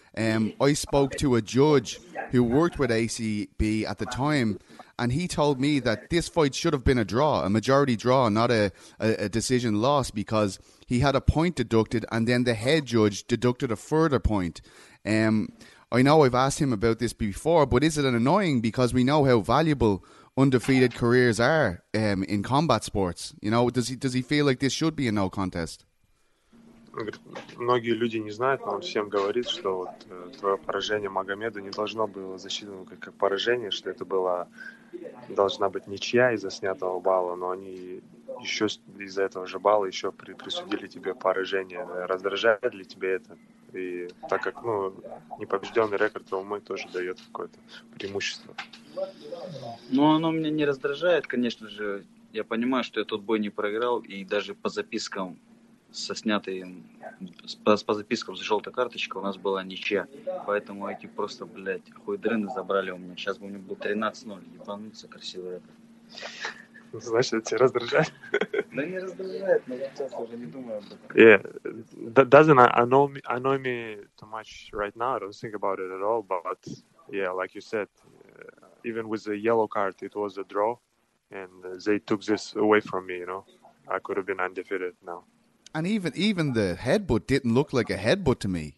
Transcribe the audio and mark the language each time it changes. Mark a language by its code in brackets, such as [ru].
[en] I spoke to a judge who worked with ACB at the time, and he told me that this fight should have been a draw, a majority draw, not a decision loss, because he had a point deducted and then the head judge deducted a further point. I know I've asked him about this before, but is it an annoying, because we know how valuable undefeated careers are in combat sports? You know, does he feel like this should be a no contest? [ru] Многие люди не знают, но он всем говорит, что вот твое поражение Магомеду не должно было засчитано как поражение, что это была должна быть ничья из-за снятого балла, но они еще из-за этого же балла еще присудили тебе поражение. Раздражает ли тебе это? И так как, ну, непобежденный рекорд, то ему тоже дает какое-то преимущество. Ну, оно меня не раздражает, конечно же. Я понимаю, что я тот бой не проиграл, и даже по запискам со снятым, по запискам с желтой карточкой у нас была ничья. Поэтому эти просто, блядь, хуй дрыны забрали у меня. Сейчас бы у меня был 13-0, ебануться красивый рекорд. Значит, тебя раздражает? Да не раздражает, но я сейчас уже не думаю об этом. [en] Yeah, that doesn't annoy me too much right now. I don't think about it at all. But yeah, like you said, even with the yellow card, it was a draw, and they took this away from me. You know, I could have been undefeated now. And even the headbutt didn't look like a headbutt to me.